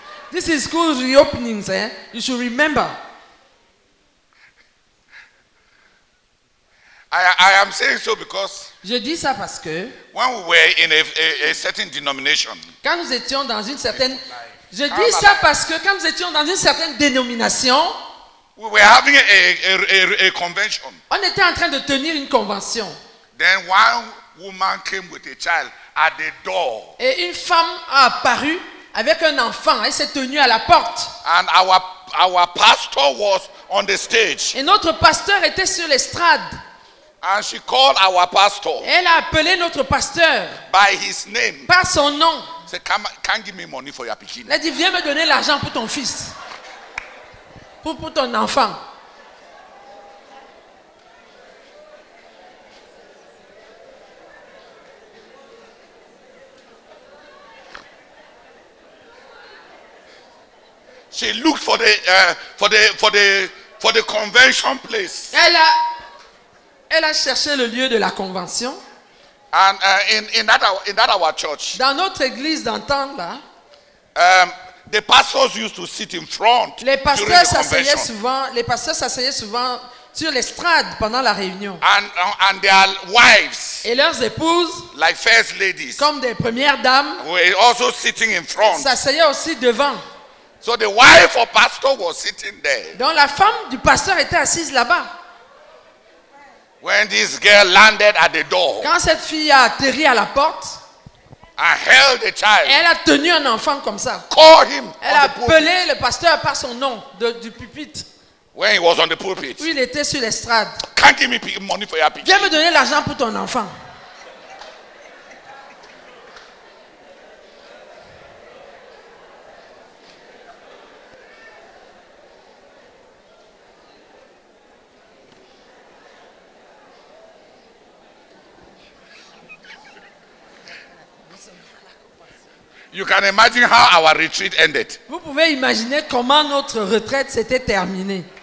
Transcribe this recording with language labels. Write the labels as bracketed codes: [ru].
[en] This is school reopenings, eh? You should remember. I am saying so because. [fr] Je dis ça parce que. [en] When we were in a certain denomination. [fr] Quand nous étions dans une certaine. Je dis ça parce que quand nous étions dans une certaine dénomination. [en] We were having a convention. [fr] On était en train de tenir une convention. [en] Then one woman came with a child at the door. [fr] Et une femme a apparu avec un enfant. Elle s'est tenue à la porte. [en] And our pastor was on the stage. [fr] Et notre pasteur était sur l'estrade. [en] And she called our pastor. [fr] Elle a appelé notre pasteur. [en] By his name. [fr] Par son nom. [en] Said, can give me money for your pikin. [fr] Elle dit, viens me donner l'argent pour ton fils. Pour ton enfant. [en] She looked for the convention place. [fr] Elle a cherché le lieu de la convention. [en] And in that our church. [fr] Dans notre église d'antan là. [en] The pastors used to sit in front. [fr] Les pasteurs s'asseyaient souvent sur l'estrade pendant la réunion. [en] And their wives. [fr] Et leurs épouses. [en] Like first ladies. [fr] Comme des premières dames. [en] Were also sitting in front. [fr] S'asseyaient aussi devant. [en] So the wife of pastor was sitting there. [fr] Donc la femme du pasteur était assise là-bas. [en] When this girl landed at the door. [fr] Quand cette fille a atterri à la porte. [en] And held the child. [fr] Elle a tenu un enfant comme ça. [en] Call him. [fr] Elle a appelé le pasteur par son nom du pupitre. [en] When he was on the pulpit. [fr] Où il était sur l'estrade. [en] Can't give me money for your pupitre. [fr] Viens me donner l'argent pour ton enfant. [en] You can imagine how our retreat ended. [fr] Vous pouvez imaginer comment notre retraite s'était terminée.